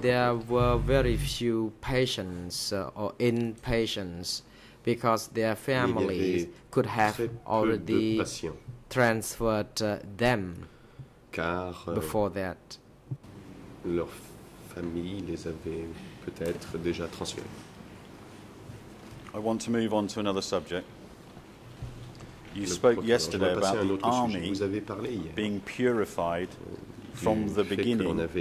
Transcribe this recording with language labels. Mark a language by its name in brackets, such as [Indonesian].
[English] there were very few patients or inpatients because their families could have already transferred them car, before that. [French] Leur famille les avait peut-être déjà transférés. [English] I want to move on to another subject. You spoke yesterday about the army being purified from the beginning,